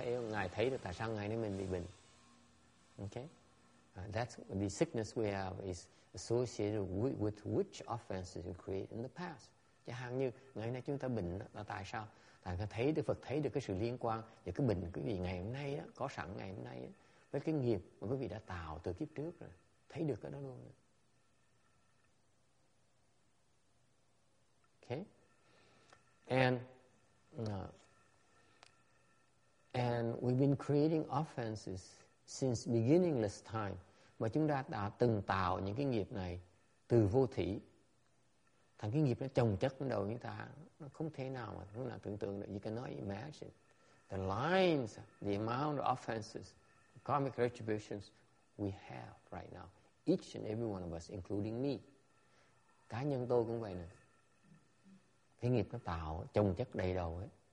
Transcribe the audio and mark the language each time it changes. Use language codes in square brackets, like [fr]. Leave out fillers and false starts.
[vi] Ngài thấy được tại sao ngày nay mình bị bệnh. Okay. [en] That's the sickness we have is associated with which offenses we create in the past. [vi] Chẳng hạn như ngày nay chúng ta bệnh là tại sao? Tại vì thấy được Phật thấy được cái sự liên quan và cái bệnh quý vị ngày hôm nay đó, có sẵn ngày hôm nay đó, với cái nghiệp mà quý vị đã tạo từ kiếp trước rồi, thấy được cái đó luôn. Đó. Okay. [en] And we've been creating offenses since beginningless time. [vi] Mà chúng ta đã từng tạo những cái nghiệp này từ vô thủy. Thành cái nghiệp nó chồng chất đầu chúng ta, nó không thể nào mà tưởng tượng được. [en] You cannot imagine. the lines, the amount of offenses, karmic retributions we have right now. Each and every one of us, including me. [vi] Cá nhân tôi cũng vậy nữa. Cái nghiệp nó tạo chồng chất đầy đầu ấy.